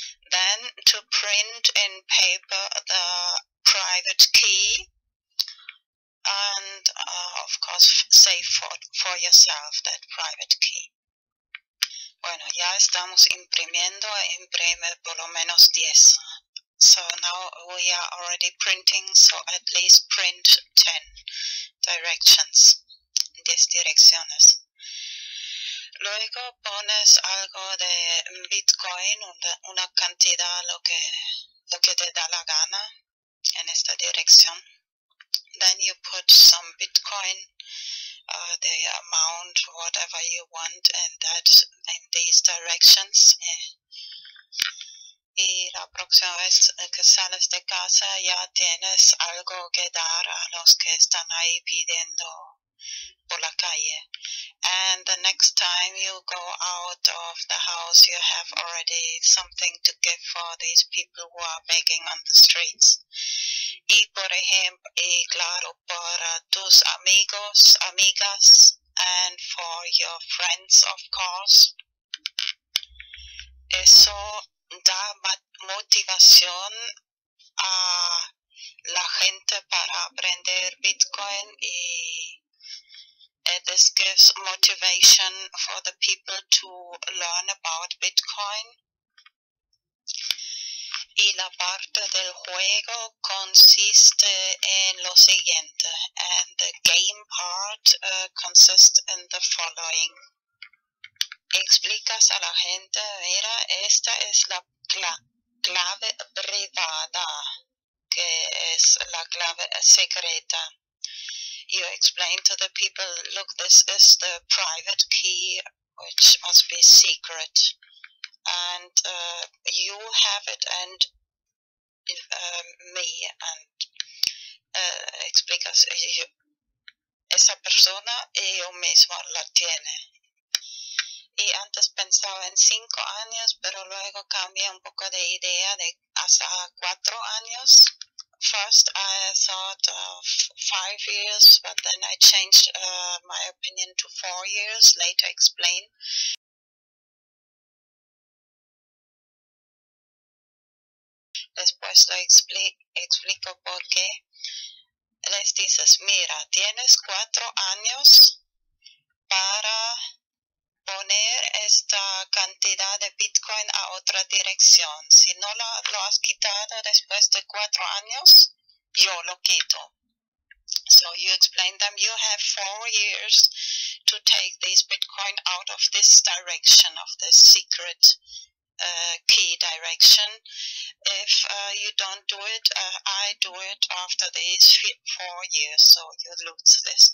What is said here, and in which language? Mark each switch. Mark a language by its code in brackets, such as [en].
[en] Then to print in paper the private key and of course save for yourself that private key. [es] Bueno, ya estamos imprimiendo, imprime por lo menos 10. [en] So now we are already printing, so at least print 10 directions, 10 direcciones. [es] Luego pones algo de Bitcoin, una cantidad, lo que te da la gana en esta dirección. [en] Then you put some Bitcoin, the amount, whatever you want, and that in these directions. [es] Y la próxima vez que sales de casa ya tienes algo que dar a los que están ahí pidiendo por la calle. [en] And the next time you go out of the house, you have already something to give for these people who are begging on the streets. [es] Y por ejemplo, y claro, para tus amigos, amigas, [en] and for your friends, of course. [es] Eso da motivación a la gente para aprender Bitcoin y [en] this gives motivation for the people to learn about Bitcoin. [es] Y la parte del juego consiste en lo siguiente. [en] And the game part consists in the following. [es] Explicas a la gente, mira, esta es la clave privada, que es la clave secreta. [en] you explained to the people, look, this is the private key, which must be secret, and you have it, and me, and [es] explicas, esa persona, yo mismo la tiene. Y antes pensaba en 5 años, pero luego cambié un poco de idea de hasta 4 años. [en] First, I thought of 5 years, but then I changed my opinion to 4 years, later explained. [es] Después lo explico por qué. Les dices, mira, tienes 4 años para poner esta cantidad de Bitcoin a otra dirección. Si no lo has quitado después de 4 años, yo lo quito. [en] So you explain them, you have 4 years to take this Bitcoin out of this direction, of this secret key direction. If you don't do it, I do it after these 4 years, so you lose this.